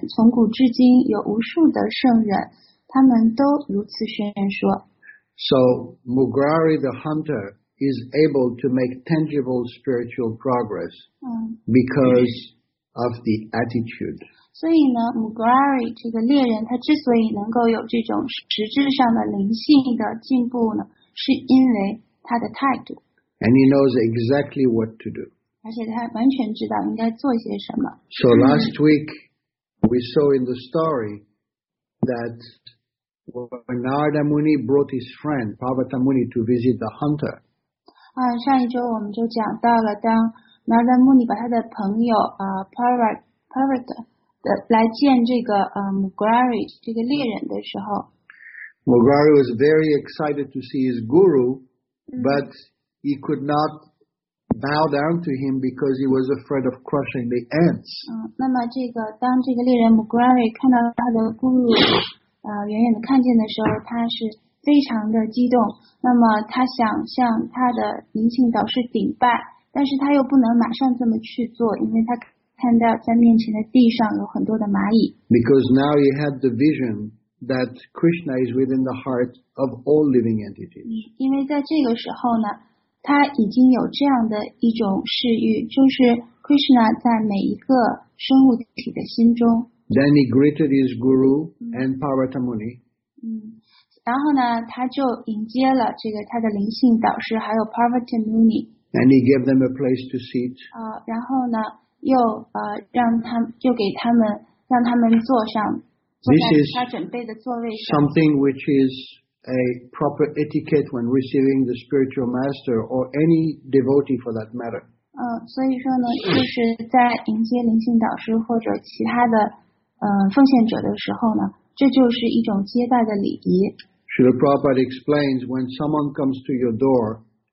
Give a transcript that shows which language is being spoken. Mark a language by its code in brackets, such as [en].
[zh] 从古至今有无数的圣人，他们都如此宣言说。 [en] So Mugrari the hunter is able to make tangible spiritual progress because of the attitude. [zh] 所以呢 Mugrari 这个猎人他之所以能够有这种实质上的灵性的进步呢，是因为他的态度。 [en] And he knows exactly what to do. [zh] 而且他完全知道应该做些什么。 [en] So last week, we saw in the story that when Narada Muni brought his friend, Parvata Muni, to visit the hunter. [zh] 上一周我们就讲到了当 Narada Muni 把他的朋友Parvata,来见这个Mugrari 这个猎人的时候 [en] Mugrari was very excited to see his guru but he could not bow down to him because he was afraid of crushing the ants [zh] 那么这个当这个猎人 Mugrari 看到他的 guru 远远的看见的时候他是非常的激动那么他想向他的灵性导师顶拜但是他又不能马上这么去做因为他看到在面前的地上有很多的蚂蚁。 [en] Because now you have the vision that Krishna is within the heart of all living entities. [zh] 因为在这个时候呢，他已经有这样的一种视域，就是 Krishna 在每一个生物体的心中。 [en] Then he greeted his guru and Parvata Muni. [zh] 然后呢，他就迎接了这个他的灵性导师还有 Parvata Muni. [en] And he gave them a place to sit. [zh] 然后呢？又让他就给他们让他们坐上坐在他准备的座位上。 [en] Something which is a proper etiquette when receiving the spiritual master or any devotee for that matter. [zh] 所以说呢，就是在迎接灵性导师或者其他的奉献者的时候呢，这就是一种接待的礼仪。 [en] Srila Prabhupada explains when someone comes to your door.